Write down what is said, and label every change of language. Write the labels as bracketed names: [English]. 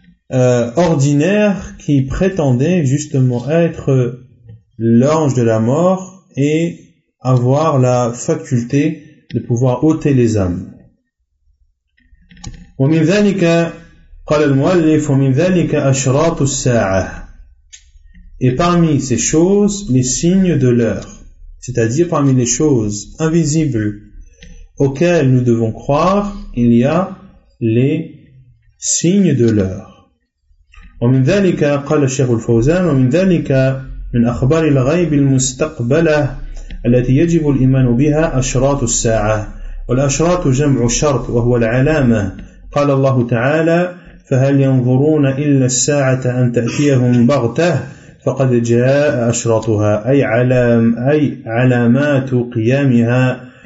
[French] ordinaire qui prétendait justement être l'ange de la mort et avoir la faculté de pouvoir ôter les âmes. [Arabic] ومن ذلك قال المؤلف ومن ذلك أشراط الساعة. [French] Et parmi ces choses, les signes de l'heure, c'est-à-dire parmi les choses invisibles auxquelles nous devons croire, il y a les signes de l'heure. [Arabic] ومن ذلك قال الشيخ الفوزان ومن ذلك من أخبار الغيب المستقبلة التي يجب الإيمان بها أشراط الساعة والأشراط جمع شرط وهو العلامة قال الله تعالى فهل ينظرون إلا الساعة أن تأتيهم بغتة فقد جاء أشراطها أي علامات قيامها